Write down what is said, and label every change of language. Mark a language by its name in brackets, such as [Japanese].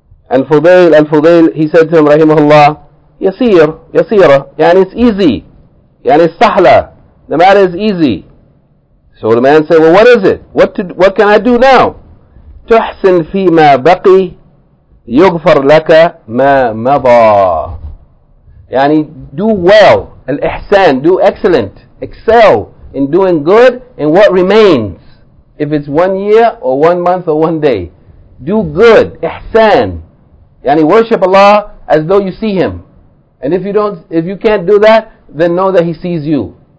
[English] And Fudail, he said to him, rahimahullah, yasir, yani, it's easy. Yani, sahla. The matter is easy. So the man said, well, what is it? What can I do now? [Arabic] تحسن فيما بقي يغفر لك ما مضى. [English] Yani, do well, al-ihsan, do excellent, excel in doing good in what remains. If it's 1 year, or 1 month, or 1 day. Do good, ihsan. Yani, worship Allah as though you see Him. And if you can't do that, then know that He sees you.